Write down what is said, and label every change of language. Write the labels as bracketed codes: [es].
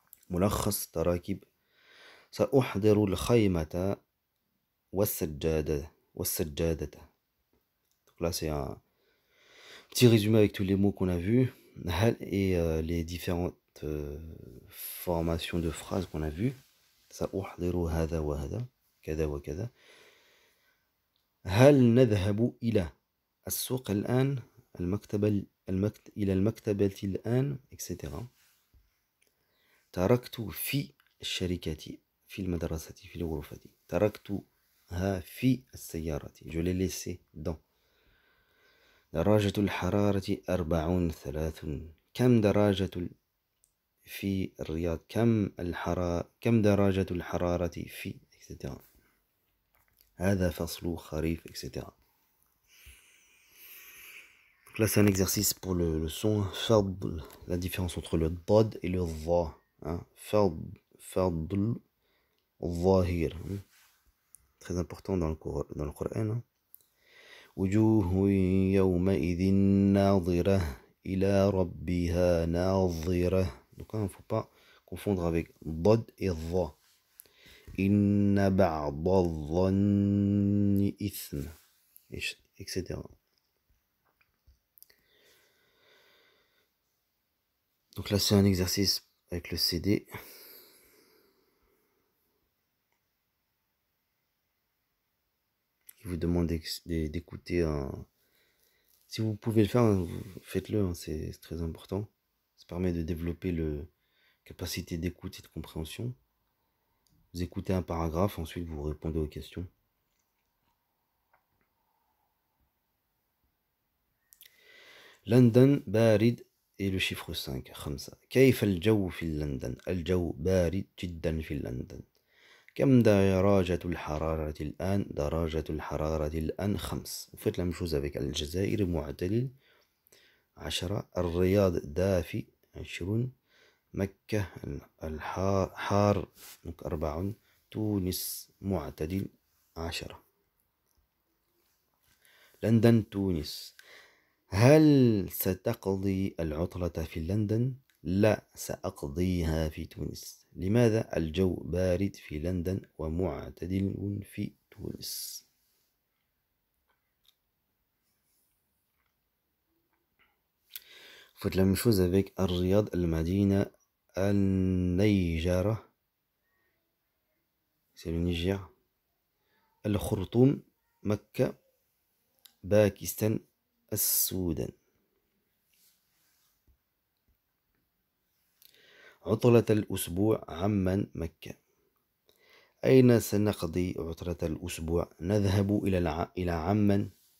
[ar] Moulakhas Tarakib, Sa'uhdiru Al-Khaymata, Was-Sajjadata. [fr] Donc là, c'est un petit résumé avec tous les mots qu'on a vus et les différentes formations de phrases qu'on a vues. [ar] سأحضر هذا وهذا كذا وكذا هل نذهب إلى السوق الآن المكتبة إلى المكتبة الآن etc. تركت في الشركة في المدرسة في الغرفة تركتها في السيارة [fr] je l'ai laissé dans [ar] درجة الحرارة 43 كم درجة في الرياض كم الحرارة كم درجة الحرارة في etc. هذا فصل خريف etc. [fr] Donc là c'est un exercice pour le son فضل la différence entre le ضاد et le ظا hein فضل [ar] فضل الظاهر [fr] très important dans le Coran. [ar] وجوه يومئذ ناظرة إلى ربها ناظرة. [fr] Donc il ne faut pas confondre avec ضد et ظا. [ar] إن بعض الظن إثم etc. [fr] Donc là c'est un exercice avec le CD. Il vous demande d'écouter. Si vous pouvez le faire, faites-le, c'est très important. Ça permet de développer la capacité d'écoute et de compréhension. Vous écoutez un paragraphe, ensuite vous répondez aux questions. London, Barid. Et le chiffre 5, Khamsa. [ar] كيف الجو في لندن؟ الجو بارد جدا في لندن. كم درجة الحرارة الآن؟ درجة الحرارة الآن 5. [fr] Vous faites la même chose avec [ar] الجزائر معتدل [fr] 10. [ar] الرياض دافي 20. مكة حار 40. تونس معتدل 10. لندن تونس. هل ستقضي العطلة في لندن؟ لا سأقضيها في تونس. لماذا؟ الجو بارد في لندن ومعتدل في تونس. [fr] Faites la même chose avec الرياض المدينة النيجرة. C'est le Niger. [ar] الخرطوم مكة باكستان السودان. عطلة الأسبوع عمان مكة. أين سنقضي عطلة الأسبوع؟ نذهب إلى عمان.